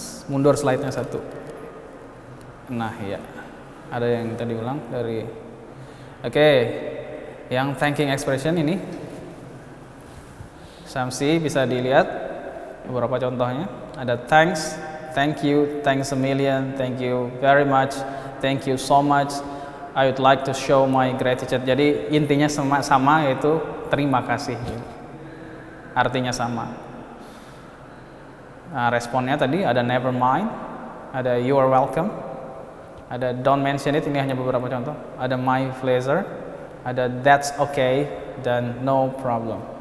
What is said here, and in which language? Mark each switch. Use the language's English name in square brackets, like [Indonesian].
[Indonesian] Mundur slide-nya satu. Nah, ya. Ada yang tadi ulang dari oke. Okay. Yang [English] thanking expression [Indonesian] ini Samsi bisa dilihat beberapa contohnya. Ada [English] thanks, thank you, thanks a million, thank you very much, thank you so much, I would like to show my gratitude. [Indonesian] Jadi intinya sama, yaitu terima kasih. Artinya sama. Nah, responnya tadi ada [English] never mind, [Indonesian] ada [English] you are welcome, [Indonesian] ada [English] don't mention it, [Indonesian] ini hanya beberapa contoh. Ada [English] my pleasure, [Indonesian] ada [English] that's okay, [Indonesian] dan [English] no problem.